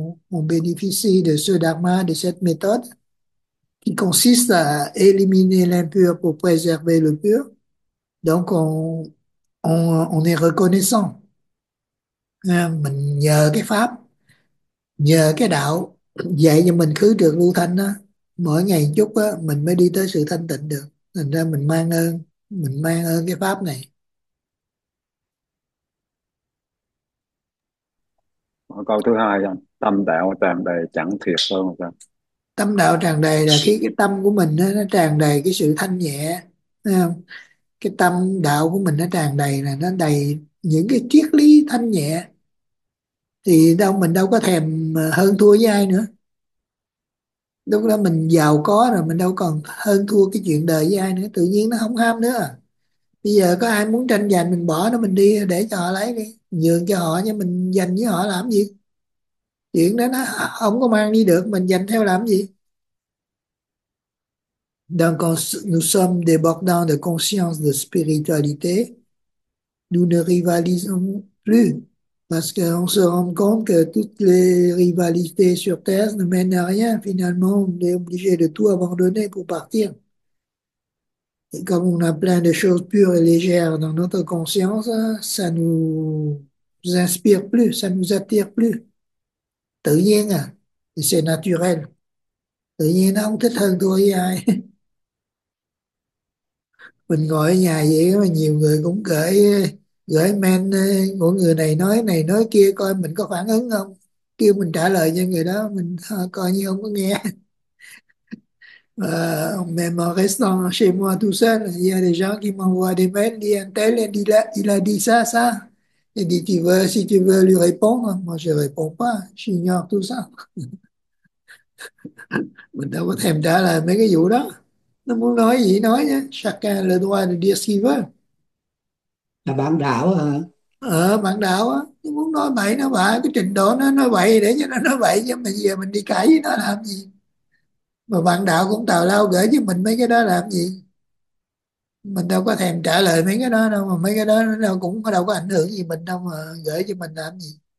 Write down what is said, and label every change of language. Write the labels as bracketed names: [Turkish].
[French] On bénéficie de ce dharma, de cette méthode qui consiste à éliminer l'impur pour préserver le pur. Donc on est reconnaissant. [Vietnamese] Mình nhờ cái pháp, nhờ cái đạo dạy cho mình khứ trược lưu thanh đó, mỗi ngày chút đó, mình mới đi tới sự thanh tịnh được. Thành ra mình mang ơn, mình mang ơn cái pháp này. Câu thứ hai, tâm đạo tràn đầy chẳng thiệt hơn Tâm đạo tràn đầy là sao? khi cái tâm của mình nó tràn đầy cái sự thanh nhẹ, thấy không? Cái tâm đạo của mình nó tràn đầy là nó đầy những cái triết lý thanh nhẹ, thì đâu mình đâu có thèm hơn thua với ai nữa. Lúc đó mình giàu có rồi, mình đâu còn hơn thua cái chuyện đời với ai nữa, tự nhiên nó không ham nữa. Bây giờ có ai muốn tranh giành, mình bỏ nó mình đi, để cho họ lấy đi, nhường cho họ, nhưng mình giành với họ làm gì? Chuyện đó nó không có mang đi được, mình giành theo làm gì? [French] Donc, nous sommes débordants de conscience, de spiritualité. Nous ne rivalisons plus. Parce qu'on se rend compte que toutes les rivalités sur Terre ne mènent à rien. Finalement, on est obligé de tout abandonner pour partir. Et comme on a plein de choses pures et légères dans notre conscience, ça nous inspire plus, ça nous attire plus. [Vietnamese] Tự nhiên à, [French] c'est naturel. [Vietnamese] Tự nhiên nó không thích hơn thua với ai. Mình ngồi ở nhà vậy mà nhiều người cũng gửi gửi men của người này nói kia, coi mình có phản ứng không, kêu mình trả lời cho người đó, mình coi như không có nghe. [French] Même en restant chez moi tout seul, il y a des gens qui m'envoient des mails, dit un tel, il a dit ça, ça. Il dit, tu veux, si tu veux lui répondre, moi je réponds pas, j'ignore tout ça. [Vietnamese] Mình đâu có thèm trả lời mấy cái vụ đó. Nó muốn nói gì nói nhé. [French] Chacun le droit de dire ce qu'il veut. [Vietnamese] Là bán đảo hả? Bạn đạo á, nó muốn nói bậy nó bạ, cái trình độ nó nói bậy để cho nó nói bậy, nhưng mà giờ mình đi cãi với nó làm gì? Mà bạn đạo cũng tào lao gửi cho mình mấy cái đó làm gì? Mình đâu có thèm trả lời mấy cái đó đâu, mà mấy cái đó nó cũng đâu có ảnh hưởng gì mình đâu mà gửi cho mình làm gì.